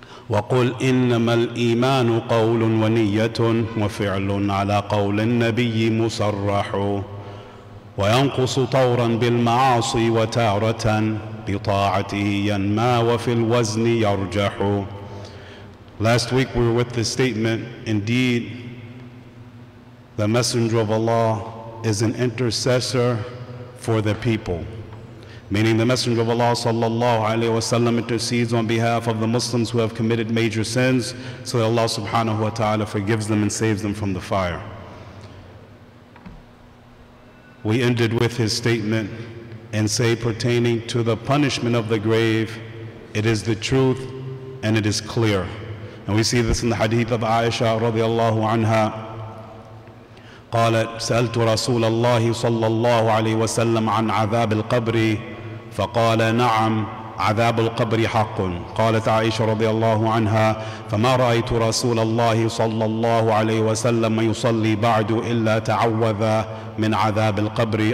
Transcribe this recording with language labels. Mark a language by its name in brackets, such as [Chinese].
[Arabic] وقل إنما الإيمان قول ونية وفعل على قول النبي مصرح، وينقص طورا بالمعاصي وتارة بطاعته ينما وفي الوزن يرجح. [English] Last week we were with the statement, indeed the Messenger of Allah is an intercessor for the people. Meaning the Messenger of Allah sallallahu alayhi wa sallam intercedes on behalf of the Muslims who have committed major sins so that Allah subhanahu wa ta'ala forgives them and saves them from the fire. We ended with his statement and say, pertaining to the punishment of the grave, it is the truth and it is clear. And we see this in the hadith of Aisha radiallahu anha. [Arabic] قالت سألت رسول الله صلى الله عليه وسلم عن عذاب القبر فقال نعم عذاب القبر حق. قالت عائشة رضي الله عنها فما رأيت رسول الله صلى الله عليه وسلم يصلي بعد إلا تعوذ من عذاب القبر.